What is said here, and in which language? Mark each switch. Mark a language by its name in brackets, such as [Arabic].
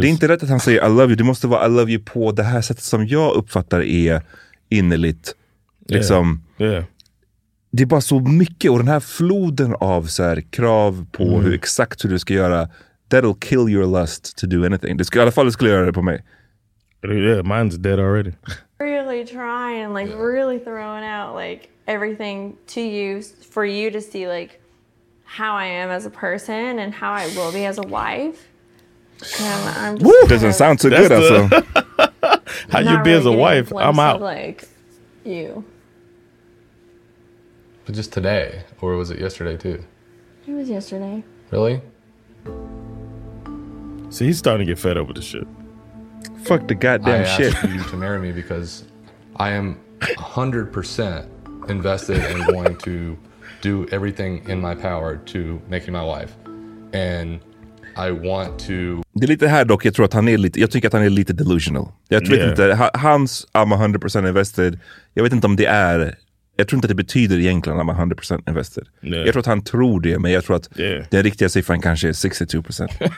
[Swedish] Det är inte rätt att han säger I love you. Det måste vara I love you på det här sättet som jag uppfattar är innerligt. Liksom. [English] Yeah. [Swedish] Det är bara så mycket. Och den här floden av så här, krav på hur exakt hur du ska göra. That'll kill your lust to do anything. Det ska, i alla fall det skulle göra det på mig. [English] Yeah, mine's dead already. Really trying, like really throwing out like everything to you for you to see like how I am as a person and how I will be as a wife. Doesn't sound too good, also. How you be really as a wife, I'm out. Like you. But just today, or was it yesterday too? It was yesterday. Really? See, he's starting to get fed up with the shit. Fuck the goddamn I shit. I asked you to marry me because I am 100% invested in going to do everything in my power to make you my wife. And I want to... [Swedish] Det är lite här dock, jag tror att han är lite... Jag tycker att han är lite delusional. Jag tror inte, hans I'm 100% invested. Jag vet inte om det är... Jag tror inte att det betyder egentligen att man 100% invested. Yeah. Jag tror att han tror det, men jag tror att den riktiga siffran kanske är 62%.